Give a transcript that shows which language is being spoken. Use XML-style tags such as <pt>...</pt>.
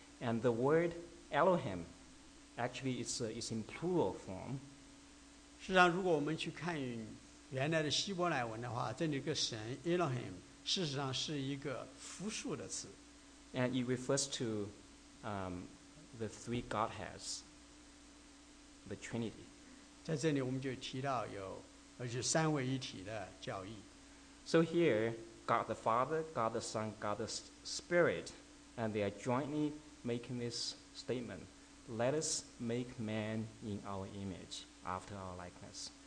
<en>And the word Elohim, actually is in plural form.</en> <zh>实际上如果我们去看原来的希伯来文的话，这里个神 Elohim 事实上是一个复数的词。</zh> <en>And it refers to the three Godheads, the Trinity.</en> <zh>在这里我们就提到有三位一体的教义。</zh> <en>So here, God the Father, God the Son, God the Spirit, and they are jointly making this statement, let us make man in our image, after our likeness.</en>